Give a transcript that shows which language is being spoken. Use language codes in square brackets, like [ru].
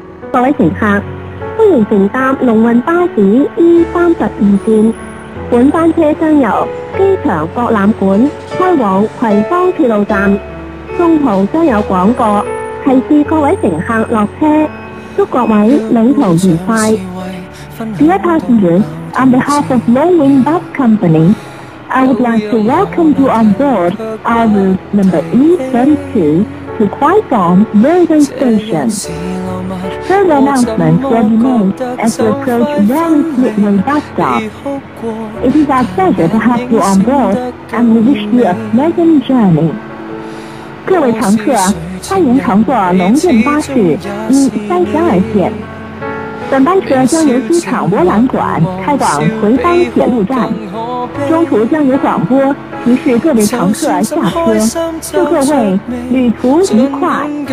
[zh] 各位乘客，欢迎乘搭龙运巴士 E32 线，本班车厢由机场博览馆开往葵芳铁路站，中途将有广播提示各位乘客落车，祝各位旅途愉快。 [en] Dear passengers, on behalf of Longwind Bus Company, I would like to welcome you on board our route number E32 to Kwaigong Railway Station. Further announcements will be made as we approach Longwind Bus Stop. It is our pleasure to have you on board, and we wish you a pleasant journey. [zh] 各位乘客，欢迎乘坐龙运巴士E32线。本班车将由机场博览馆开往葵芳铁路站，中途将有广播提示各位乘客下车，祝各位旅途愉快。